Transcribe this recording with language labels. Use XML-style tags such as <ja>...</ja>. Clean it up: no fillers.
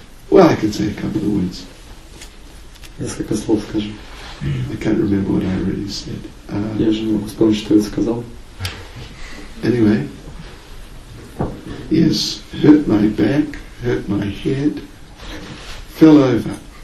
<en>Well, I can say a couple of words.</en> <ru>Несколько слов скажу.</ru> <en>I can't remember what I already said.</en> <ru>Я же не могу вспомнить, что я сказал.</ru> <en>Anyway. Yes, hurt my back, hurt my head, fell over.</en>